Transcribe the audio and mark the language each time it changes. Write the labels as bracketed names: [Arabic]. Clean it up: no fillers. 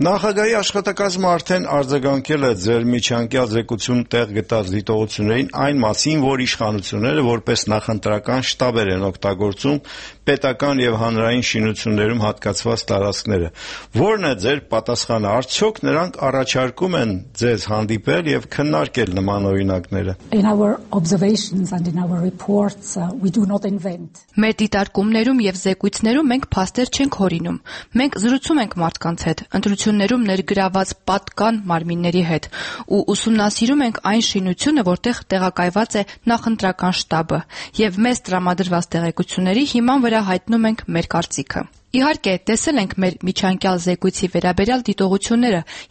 [Armenian] Նախագահի աշխատակազմը արդեն արձագանքել է ձեր միջանկյալ զեկույցում տեղ գտած դիտողություններին այն մասին, որ իշխանությունները որպես նախընտրական շտաբեր են օգտագործում պետական եւ հանրային շինություններում հատկացված տարածքները։ Որն է ձեր պատասխանը, արդյոք նրանք առաջարկում են ձեզ հանդիպել եւ քննարկել նման օրինակները։ [English] In our observations and in our reports we do not invent. [Armenian] Մեր դիտարկումներում եւ զեկույցներում մենք փաստեր չենք օրինում։ Մենք զրուցում ենք մարդկանց հետ, ընտրություններում ներգրաված պատկան մարմինների հետ, ու ուսումնասիրում ենք այն շինությունը, որտեղ տեղակայված է նախընտրական շտաբը, եւ մեզ տրամադրված տեղեկությունների հիման վրա հայտնում ենք մեր կարծիքը։ Իհարկե, տեսել ենք մեր միջանկյալ զեկույցի վերաբերյալ դիտողությունները,